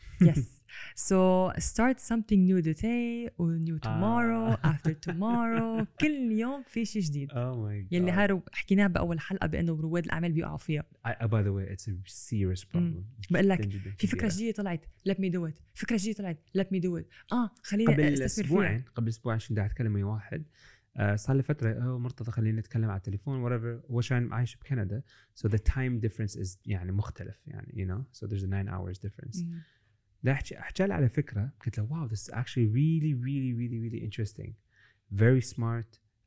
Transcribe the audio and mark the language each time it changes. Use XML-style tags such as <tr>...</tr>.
<en>yes So start something new today or new tomorrow after tomorrow</en> <ar>كل يوم في شيء جديد يلي هارو حكيناه بأول حلقة بأنه رواد الأعمال بيقعوا فيها</ar> <en>by the way it's a serious problem</en> <ar>بقول لك في فكرة جديدة طلعت</ar> <en>let me do it</en> <ar>فكرة جديدة طلعت let me do it خليني استثمر فيها قبل أسبوعين شو بدي أتكلم مع واحد صار لي فترة مرتضى خلينا نتكلم على التليفون whatever وشان عايش بكندا</ar> <en>so the time difference is</en> <ar>يعني مختلف يعني</ar> <en>you know so there's a 9 hours difference</en> <ar>احكي على فكرة قلت له</ar> <en>wow this is actually really really really really interesting very smart</en>